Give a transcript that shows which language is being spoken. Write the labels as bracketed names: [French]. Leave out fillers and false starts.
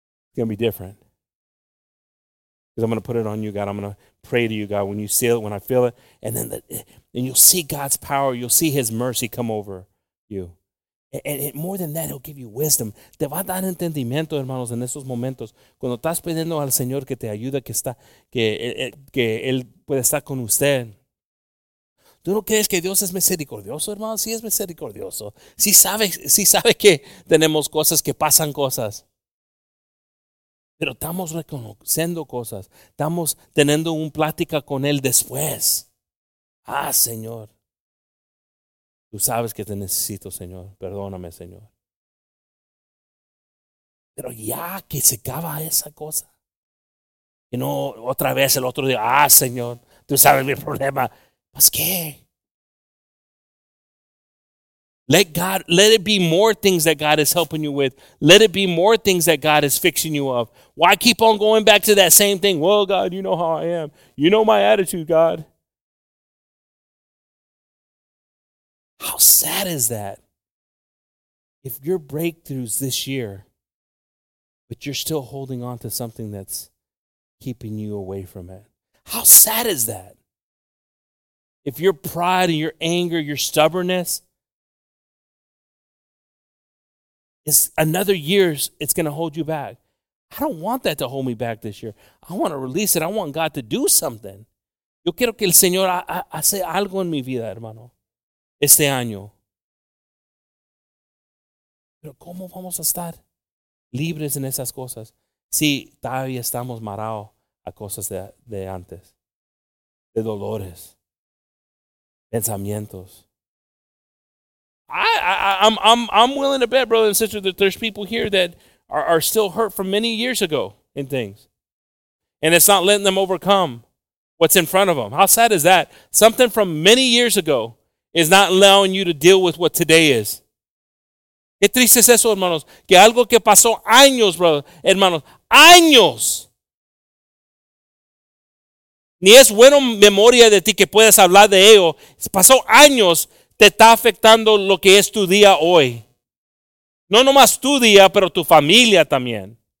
[English] It's going to be different. Because I'm going to put it on you, God. I'm going to pray to you, God, when you see it, when I feel it. And then and you'll see God's power. You'll see his mercy come over you. And more than that, he'll give you wisdom. [Spanish] Te va a dar entendimiento, hermanos, en esos momentos. Cuando estás pidiendo al Señor que te ayude, que él puede estar con usted. ¿Tú no crees que Dios es misericordioso, hermano? Sí es misericordioso. Sí sabe que tenemos cosas, que pasan cosas. Pero estamos reconociendo cosas. Estamos teniendo una plática con él después. Ah, Señor. Tú sabes que te necesito, Señor. Perdóname, Señor. Pero ya que se acaba esa cosa, y no otra vez el otro día, Señor, tú sabes mi problema. ¿Pues qué? [English] Let it be more things that God is helping you with. Let it be more things that God is fixing you of. Why keep on going back to that same thing? Well, God, you know how I am. You know my attitude, God. How sad is that? If your breakthrough's this year, but you're still holding on to something that's keeping you away from it. How sad is that? If your pride and your anger, your stubbornness, it's another year, it's going to hold you back. I don't want that to hold me back this year. I want to release it. I want God to do something. [Spanish] Yo quiero que el Señor hace algo en mi vida, hermano, este año. Pero ¿cómo vamos a estar libres en esas cosas si todavía estamos marados a cosas de antes? De dolores, pensamientos. [English] I'm willing to bet, brother and sister, that there's people here that are still hurt from many years ago in things. And it's not letting them overcome what's in front of them. How sad is that? Something from many years ago is not allowing you to deal with what today is. [Spanish] ¿Qué triste es eso, hermanos? Que algo que pasó años, brother, hermanos, años. Ni es buena memoria de ti que puedas hablar de ello. Pasó años. Te está afectando lo que es tu día hoy. No nomás tu día, pero tu familia también.